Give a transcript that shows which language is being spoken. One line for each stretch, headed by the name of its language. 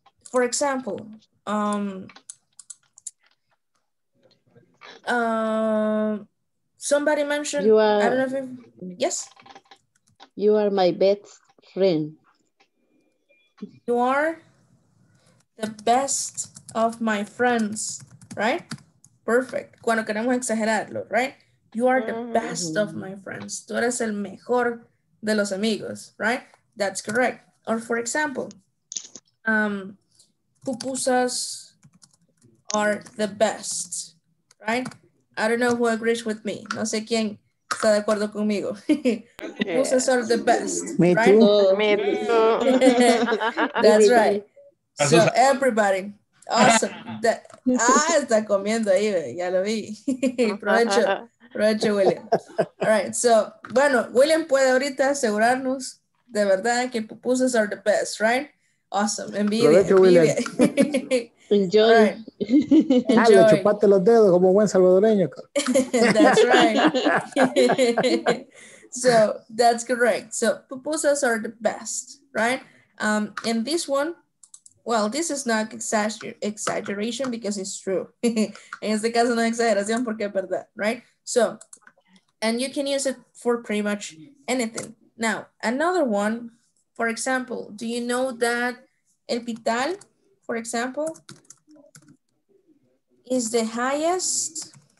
English: For example, somebody mentioned, you are, I don't know if yes? You are my best friend. You are the best of my friends, right? Perfect.
Spanish: Cuando queremos exagerarlo,
English: right? You are the best of my friends.
Spanish: Tú eres el mejor de los amigos, right?
English: That's correct. Or for example, pupusas are the best, right? I don't know who agrees with me.
Spanish: No sé quién está de acuerdo conmigo.
English: Pupusas are the best. Me right? Too. Me too. That's right. So everybody. Awesome.
Spanish: Está comiendo ahí, ya lo vi. Provecho, provecho, William. All right. So, bueno, William puede ahorita asegurarnos de verdad que
English: pupusas are the best,
Spanish: right? Awesome. Envidia. Provecho, William.
English: Enjoy. Right. Enjoy.
Spanish: Ay, le chupate los dedos como buen salvadoreño.
English: That's right. So that's correct. So pupusas are the best, right? And this one, well, this is not exaggeration because it's true.
Spanish: En este caso no es exageración porque es verdad, right?
English: So, and you can use it for pretty much anything. Now, another one, for example, do you know that El Pital, for example, is the highest?